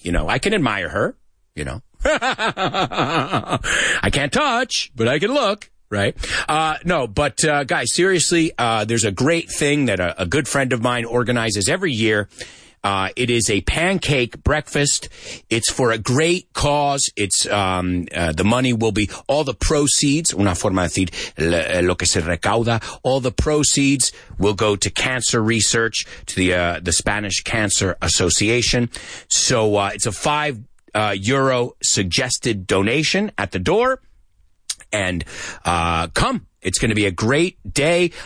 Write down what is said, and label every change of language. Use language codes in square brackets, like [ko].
[en] You know, I can admire her, you know. I can't touch, but I can look, right? Guys, seriously, there's a great thing that a good friend of mine organizes every year. It is a pancake breakfast. It's for a great cause. It's the money will be all the proceeds. [es] Una forma de decir lo que se recauda. [en] All the proceeds will go to cancer research, to the Spanish Cancer Association. So it's a €5 suggested donation at the door. And come. It's going to be a great day.